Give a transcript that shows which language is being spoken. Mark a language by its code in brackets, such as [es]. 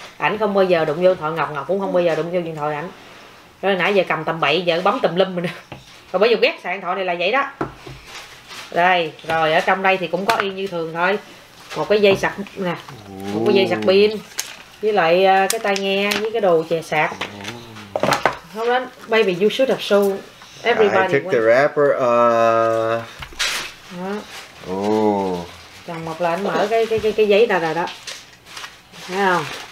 [vi] Ảnh không bao giờ đụng vô điện thoại Ngọc cũng không bao giờ đụng vô điện thoại ảnh. Rồi nãy giờ cầm tầm 7 giờ bấm tùm lum rồi nè. Rồi bây giờ ghét xài điện thoại này là vậy đó. Đây, rồi ở trong đây thì cũng có y như thường thôi. Một cái dây sạc nè, một cái dây sạc pin. Với lại cái tai nghe với cái đồ chè sạc. Không đó, [en] baby you should have shown everybody. I took the wrapper [vi] đó. Chồng Ngọc là anh mở cái giấy ra rồi đó. Thấy không?